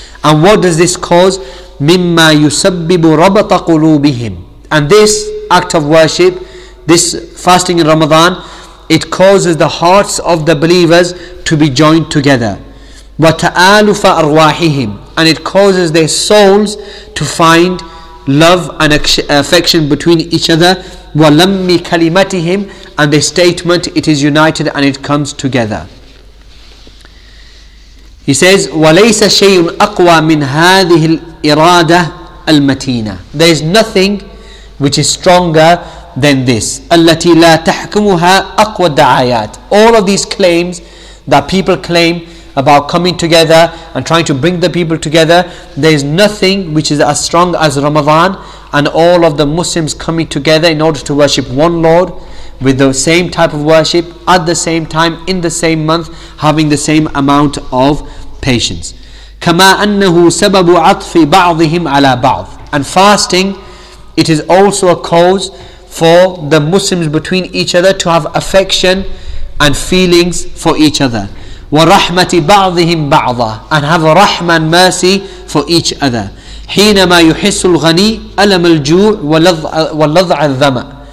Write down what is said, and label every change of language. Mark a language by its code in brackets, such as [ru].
[en] And what does this cause? [ar] مِمَّا يُسَبِّبُ رَبَطَ قُلُوبِهِمْ, [en] and this act of worship, this fasting in Ramadan, it causes the hearts of the believers to be joined together. [ar] وَتَآلُفَ أَرْوَاحِهِمْ, [en] and it causes their souls to find love and affection between each other. [ar] وَلَمِّ كَلِمَتِهِمْ, [en] and the statement, it is united and it comes together. He says, [ar] وَلَيْسَ شَيْءٌ أَقْوَى مِنْ هَذِهِ الْإِرَادَةِ الْمَتِينَةِ. [en] There is nothing which is stronger than this. [ar] الَّتِي لَا تَحْكُمُهَا أَقْوَى الدَّعَيَاتِ. [en] All of these claims that people claim about coming together and trying to bring the people together, there is nothing which is as strong as Ramadan and all of the Muslims coming together in order to worship one Lord with the same type of worship at the same time in the same month, having the same amount of patience. [ar] كَمَا أَنَّهُ سَبَبُ عَطْفِ بَعْضِهِمْ عَلَى بَعْضِ. [en] And fasting, it is also a cause for the Muslims between each other to have affection and feelings for each other. [ar] وَرَحْمَةِ بَعْضِهِمْ بَعْضًا. [en] And have rahmah and mercy for each other. [ar] حِينَمَا يُحِسُّ الْغَنِي أَلَمَ الْجُوعِ وَلَضْعَ الذَّمَأِ.